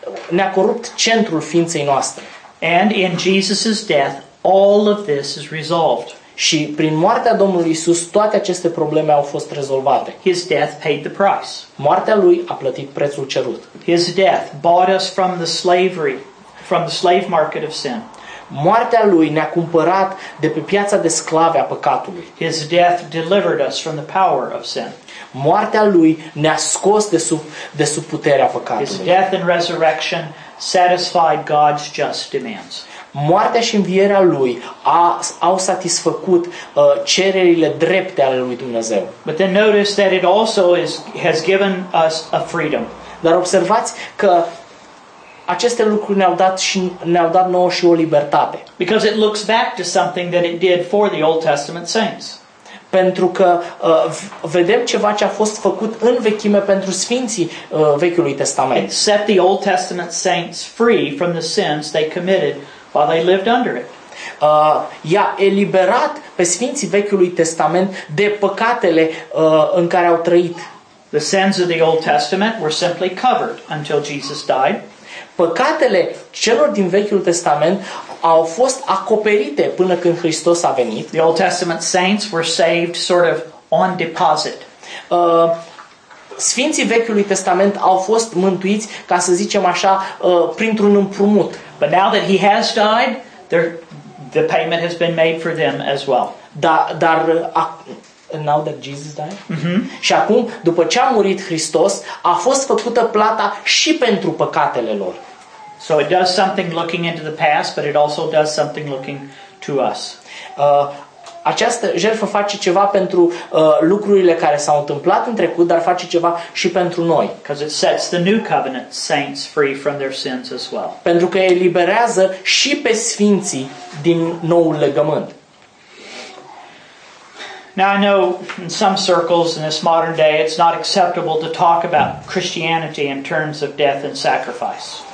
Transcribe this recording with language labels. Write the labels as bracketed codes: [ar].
[ro] Ne-a corupt centrul ființei noastre. [en] And in Jesus's death, all of this is resolved. [ro] Și prin moartea Domnului Iisus, toate aceste probleme au fost rezolvate. [en] His death paid the price. [ro] Moartea lui a plătit prețul cerut. [en] His death bought us from the slavery, from the slave market of sin. [ro] Moartea lui ne-a cumpărat de pe piața de sclave a păcatului. [en] His death delivered us from the power of sin. [ro] Moartea lui ne-a scos de sub puterea păcatului. [en] His death and resurrection satisfied God's just demands. [ro] Moartea și învierea lui au satisfăcut cererile drepte ale lui Dumnezeu. [en] But then notice that it also has given us a freedom. [ro] Dar observați că aceste lucruri ne-au dat nouă și o libertate. [en] Because it looks back to something that it did for the Old Testament saints. [ro] Pentru că vedem ceva ce a fost făcut în vechime pentru sfinții Vechiului Testament. [en] It set the Old Testament saints free from the sins they committed while they lived under it. [ro] Ea eliberat pe sfinții Vechiului Testament de păcatele în care au trăit. [en] The sins of the Old Testament were simply covered until Jesus died. [ro] Păcatele celor din Vechiul Testament au fost acoperite până când Hristos a venit. [en] The Old Testament saints were saved sort of on deposit. [ro] Sfinții Vechiului Testament au fost mântuiți, ca să zicem așa, printr-un împrumut. [en] But now that he has died, the payment has been made for them as well. [ro] Dar [en] now that Jesus died. [ro] Și acum, după ce a murit Hristos, a fost făcută plata și pentru păcatele lor. [en] So it does something looking into the past, but it also does something looking to us. [ro] Această jertfă face ceva pentru lucrurile care s-au întâmplat în trecut, dar face ceva și pentru noi. [en] Because it sets the new covenant saints free from their sins as well. [ro] Pentru că eliberează și pe sfinții din noul legământ. [en] Now I know in some circles in this modern day it's not acceptable to talk about Christianity in terms of death and sacrifice.